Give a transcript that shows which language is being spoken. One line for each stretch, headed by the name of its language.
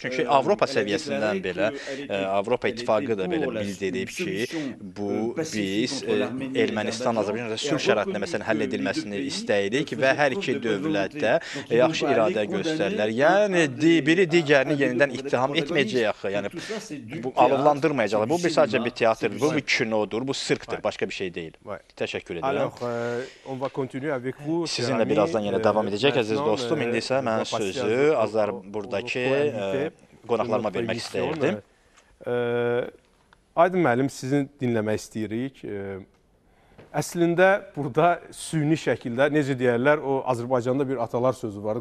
Azerbaijani: Çünki Avropa səviyyəsindən belə Avropa İttifaqı da belə bildirib ki, bu biz Ermənistan Azərbaycanla sülh şəraitində məsələn həll edilməsini istəyirik və hər iki dövlət də yaxşı iradə göstərirlər. Yəni biri digərini yenidən ittiham etməyəcək axı. Yəni bu alovlandırmayacaq. Bu bir sadəcə bir teatrdır, bu bir kinodur, bu sirkdir, başqa bir şey deyil. Təşəkkür edirəm.
French: On va continuer avec vous.
Turkish: Sizinle birazdan yine devam edecek aziz dostum.
Azerbaijani: İndi isə mən sözü Azər buradaki qonaqlarıma vermek istəyirdim. Aydın müəllim sizin dinləmək istəyirik. Əslində burada süni şəkildə necə deyirlər o Azərbaycanda bir atalar sözü var.